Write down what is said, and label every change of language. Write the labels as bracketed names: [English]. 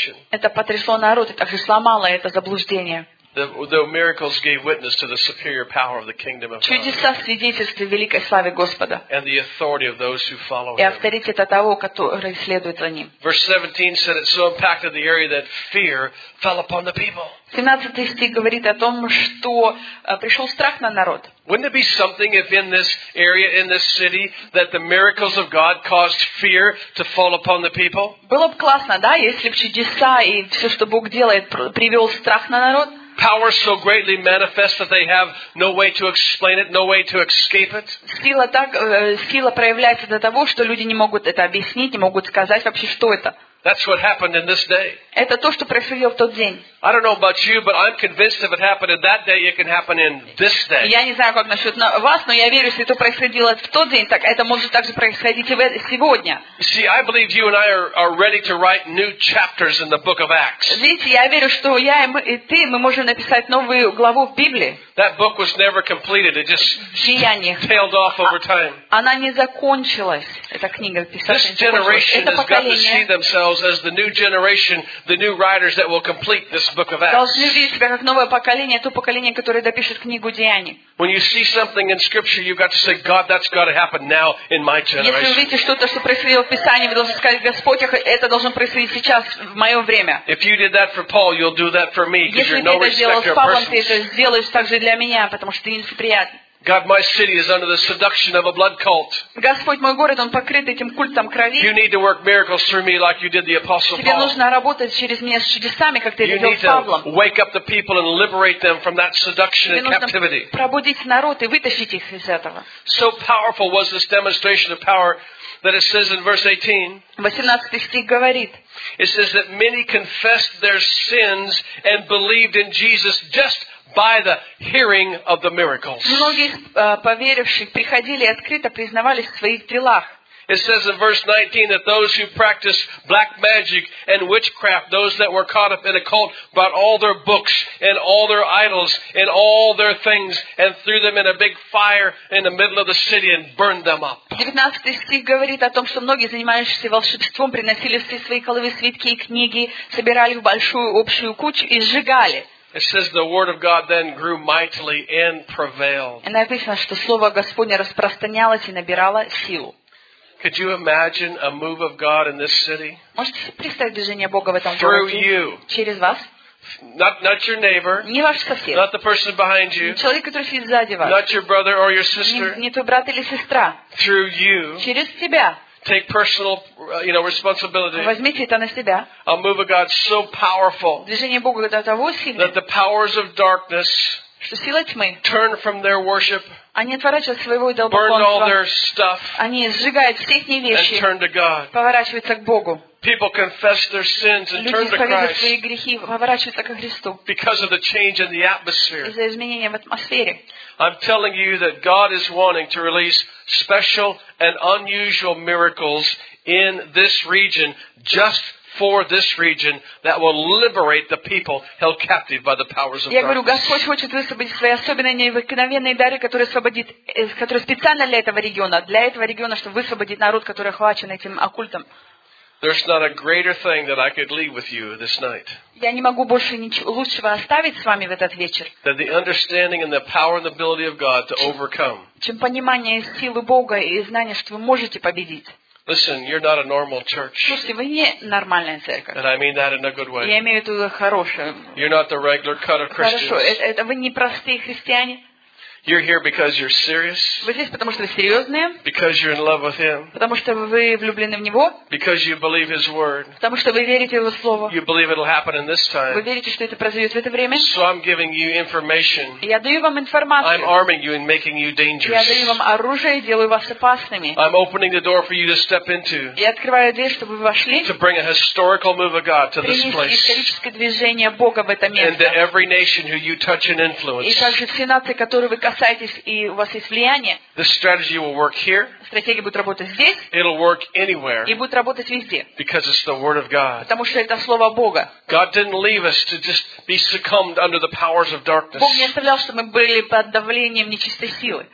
[Russian] Это потрясло народ и также сломало это заблуждение. Чудеса свидетельствуют великой славе Господа и авторитета того, который следует за ним. [English] Verse 17 said it so impacted the area that fear fell upon the people. [Russian] 17 стих говорит о том, что пришел страх на народ. [English] Wouldn't it be something if in this area, in this city, that the miracles of God caused fear to fall upon the people? [Russian] Было бы классно, да, если бы чудеса и все, что Бог делает, привел страх на народ. [English] Power so greatly manifest that they have no way to explain it, no way to escape it. [Russian] Сила проявляется до того, что люди не могут это объяснить, не могут сказать вообще, что это. [English] That's what happened in this day. [Russian] Это то, что происходило в тот день. [English] I don't know about you, but I'm convinced if it happened in that day, it can happen in this day. [Russian] Я не знаю, как насчёт вас, но я верю, если это происходило в тот день, так это может также происходить и сегодня. [English] See, I believe you and I are ready to write new chapters in the book of Acts. [Russian] Видите, я верю, что я и ты, мы можем написать новую главу в Библии. [English] That book was never completed. It just tailed off over time. [Russian] Она не закончилась, эта книга, писание. [English] This generation has got to see themselves as the new generation, the new writers that will complete this book of Acts. [Russian] Должны видеть себя как новое поколение, то поколение, которое допишет книгу Деяний. [English] When you see something in Scripture, you've got to say, God, that's got to happen now in my generation. [Russian] Если вы видите что-то, что происходило в Писании, вы должны сказать, Господь, это должно происходить сейчас, в мое время. [English] If you did that for Paul, you'll do that for me, because you're no respecter of persons. [Russian] Если ты это сделал с Павлом, ты это сделаешь также для меня, потому что ты неприятный. [English] God, my city is under the seduction of a blood cult. [Russian] Господь, мой город, он покрыт этим культом крови. [English] You need to work miracles through me, like you did the apostle Paul. [Russian] Тебе нужно работать через меня с чудесами, как ты это делал с Павлом. [English] You need to wake up the people and liberate them from that seduction and captivity. [Russian] Тебе нужно пробудить народ и вытащить их из этого. [English] So powerful was this demonstration of power that it says in verse 18. [Russian] 18 стих говорит. [English] It says that many confessed their sins and believed in Jesus just by the hearing of the miracles. [Russian] Многие поверивших приходили и открыто признавались в своих делах. [English] It says in verse 19 that those who practiced black magic and witchcraft, those that were caught up in a cult, brought all their books and all their idols and all their things and threw them in a big fire in the middle of the city and burned them up. [Russian] 19 стих говорит о том, что многие занимающиеся волшебством приносили все свои коловые свитки и книги, собирали в большую общую кучу и сжигали. [English] It says the word of God then grew mightily and prevailed. [Russian] И написано, что слово Господне распространялось и набирало силу. [English] Could you imagine a move of God in this city? [Russian] Можете себе представить движение Бога в этом городе? [English] Through you. [Russian] Через вас. [English] Not your neighbor. [Russian] Не ваш сосед. [English] Not the person behind you. [Russian] Не человек, который сидит сзади вас. [English] Not your brother or your sister. [Russian] Не твой брат или сестра. [English] Through you. [Russian] Через тебя. [English] Take personal, you know, responsibility. [Russian] Возьмите это на себя. [English] A move of God so powerful. [Russian] Движение Бога до того сильное. [English] That the powers of darkness. [Russian] Что силы тьмы. [English] Turn from their worship. [Russian] Они отворачивают своего идола. [English] Burn all their stuff. [Russian] Они сжигают все их вещи. [English] And turn to God. [Russian] Поворачиваются к Богу. [English] People confess their sins and turn to Christ. [Russian] Люди исповедуют свои грехи, поворачиваются ко Христу. [English] Because of the change in the atmosphere. [Russian] Из-за изменения в атмосфере. [English] I'm telling you that God is wanting to release special and unusual miracles in this region, just for this region, that will liberate the people held captive by the powers of darkness. [Russian] Я говорю, Господь хочет высвободить свои особенные необыкновенные дары, которые освободит, которые специально для этого региона, чтобы высвободить народ, который охвачен этим оккультом. [English] There's not a greater thing that I could leave with you this night. [Russian] Я не могу больше ничего лучшего оставить с вами в этот вечер. [English] Than the understanding and the power and the ability of God to overcome. [Russian] Чем понимание силы Бога и знание, что вы можете победить. [English] Listen, you're not a normal church. [Russian] Слушайте, вы не нормальная церковь. [English] And I mean that in a good way. [Russian] Я имею в виду хорошее. [English] You're not the regular cut of Christians. [Russian] Хорошо, это вы не простые христиане. [English] You're here because you're serious. [Russian] Вы здесь потому что вы серьезные. [English] Because you're in love with Him. [Russian] Потому что вы влюблены в Него. [English] Because you believe His word. [Russian] Потому что вы верите в Его слово. [English] You believe it'll happen in this time. [Russian] Вы верите, что это произойдет в это время. [English] So I'm giving you information. [Russian] Я даю вам информацию. [English] I'm arming you and making you dangerous. [Russian] Я даю вам оружие и делаю вас опасными. [English] I'm opening the door for you to step into. [Russian] Я открываю дверь, чтобы вы вошли. [English] To bring a historical move of God to this place. [Russian] Принести историческое движение Бога в это место. [English] And to every nation who you touch and influence. [Russian] И также все нации, которые вы касаетесь. И у вас есть влияние. [English] This strategy will work here. [Russian] Стратегия будет работать здесь. [English] It'll work anywhere. [Russian] И будет работать везде. [English] Because it's the word of God. [Russian] Потому что это слово Бога. [English] God didn't leave us to just be succumbed under the powers of darkness. [Russian] Бог не оставлял, чтобы мы были под давлением нечистой силы.